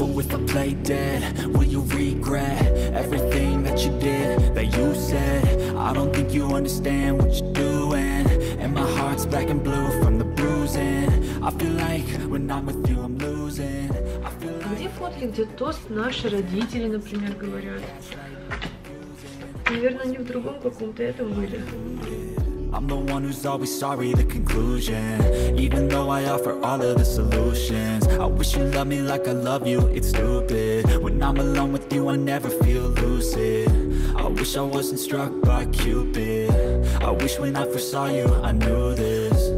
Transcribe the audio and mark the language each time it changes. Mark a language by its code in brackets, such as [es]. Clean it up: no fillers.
[en] If I play dead, will you regret everything that you did, that you said? I don't think you understand what you're doing. And my heart's black and blue from the bruising. I feel like when I'm with you, I'm losing. I feel like... [ru] Где фотки, где тост наши родители, например, говорят? Наверное, они в другом каком-то этом были. [en] I'm the one who's always sorry, the conclusion. Even though I offer all of the solutions. I wish you loved me like I love you, it's stupid. When I'm alone with you, I never feel lucid. I wish I wasn't struck by Cupid. I wish when I first saw you, I knew this.